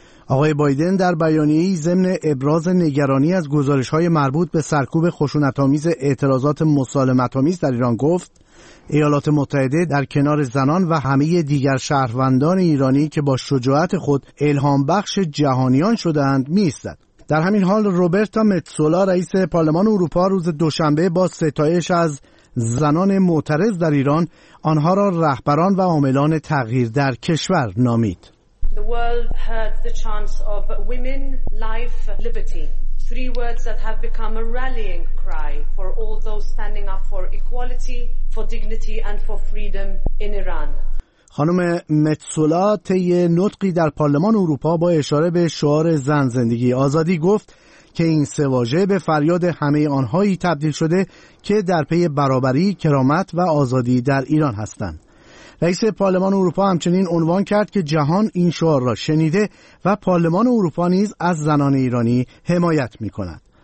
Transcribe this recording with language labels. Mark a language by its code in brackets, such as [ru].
[fa] آقای بایدن در بیانیه‌ای ضمن ابراز نگرانی از گزارش‌های مربوط به سرکوب خشونت‌آمیز اعتراضات مسالمت‌آمیز در ایران گفت: ایالات متحده در کنار زنان و همه دیگر شهروندان ایرانی که با شجاعت خود الهام بخش جهانیان شدند می‌ایستد. در همین حال روبرتا متسولا رئیس پارلمان اروپا روز دوشنبه با ستایش از زنان معترض در ایران آنها را رهبران و عاملان تغییر در کشور نامید. [en] The world heard the chants of women, life, liberty. Three words that have become a rallying cry for all those standing up for equality, for dignity and for freedom in Iran. [fa] خانم متسولا طی نطقی در پارلمان اروپا با اشاره به شعار زن زندگی آزادی گفت که این سه واژه به فریاد همه آنهایی تبدیل شده که در پی برابری، کرامت و آزادی در ایران هستند. رئیس پارلمان اروپا همچنین عنوان کرد که جهان این شعار را شنیده و پارلمان اروپا نیز از زنان ایرانی حمایت می کند.